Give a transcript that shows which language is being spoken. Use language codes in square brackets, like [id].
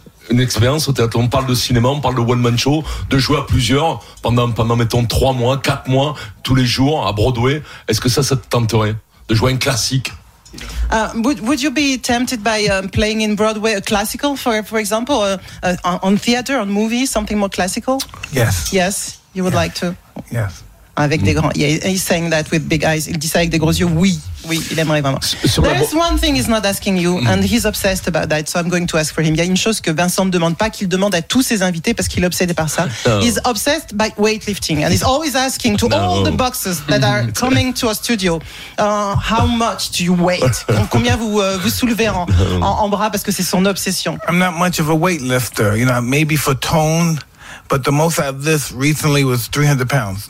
[fr] On parle de cinéma, on parle de one man show, de jouer à plusieurs pendant mettons 3 mois, 4 mois, tous les jours à Broadway. Est-ce que ça te tenterait? De jouer un classique. [en] Would you be tempted by playing in Broadway a classical, for example, on theater, on movie, something more classical? Yes. You would like to. Yes. [fr] Avec des grands. [en] Yeah, he's saying that with big eyes. [fr] Il dit ça avec des gros yeux. Oui, il aimerait vraiment. [en] One thing he's not asking you, and he's obsessed about that. So I'm going to ask for him. [fr] Il y a une chose que Vincent ne demande pas, qu'il demande à tous ses invités parce qu'il est obsédé par ça. [en] He's obsessed by weightlifting, and he's always asking to all the boxers that are coming to our studio, how much do you weight? [fr] Combien vous soulevez en bras, parce que c'est son obsession. [en] I'm not much of a weightlifter, you know. Maybe for tone. But the most I've lifted recently was 300 pounds.